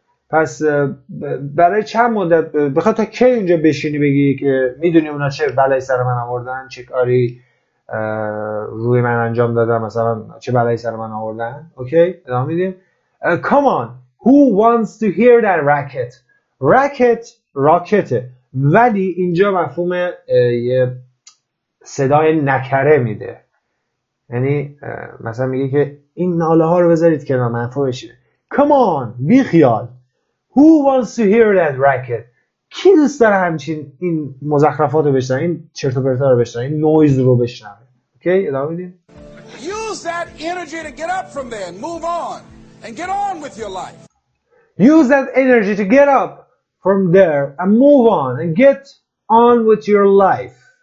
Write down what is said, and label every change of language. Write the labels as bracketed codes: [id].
[fa] پس برای چند مدت بخواد تا کی اینجا بشینی بگی که میدونی اونا چه بلای سر من آوردن، چه کاری روی من انجام دادن، مثلا چه بلای سر من آوردن. اوکی ادامه میدیم. [en] Come on, who wants to hear that racket? [fa] Racket راکته، ولی اینجا مفهوم یه صدای نکره میده. یعنی مثلا میگه که این ناله ها رو بذارید که منفع بشه. [en] Come on [fa] بی خیال. [en] Who wants to hear that racket؟ [fa] کی دوست داره همچین این مزخرفات رو بشنه، این چرت و پرت ها رو بشنه، این نویز رو بشنه. اوکی ادامه میدیم. [en] Use that energy to get up from there and move on and get on with your life. Use that energy to get up from there and move on and get on with your life.